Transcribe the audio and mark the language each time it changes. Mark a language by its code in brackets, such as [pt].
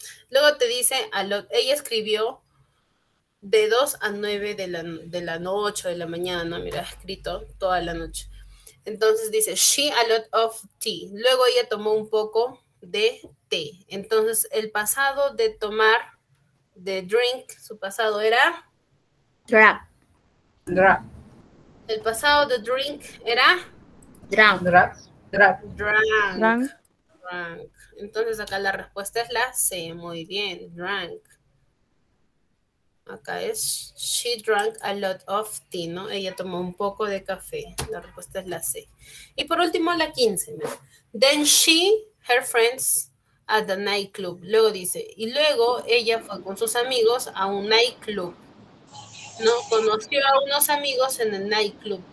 [es] Luego te dice, ella escribió de 2 a 9 de la noche o de la mañana, ¿no? Mira, escrito toda la noche. Entonces dice, [en] she a lot of tea. [es] Luego ella tomó un poco de té. Entonces el pasado de tomar, de drink, su pasado era? [en] Drunk. [es] El pasado de drink era? [en] Drunk. Drunk. [es] Entonces acá la respuesta es la C. Muy bien, drunk. Acá es, [en] she drank a lot of tea, ¿no? [es] Ella tomó un poco de café. La respuesta es la C. Y por último, la 15. ¿No? [en] Then she, her friends, at the nightclub. [es] Luego dice, y luego ella fue con sus amigos a un nightclub. ¿No? Conoció a unos amigos en el nightclub.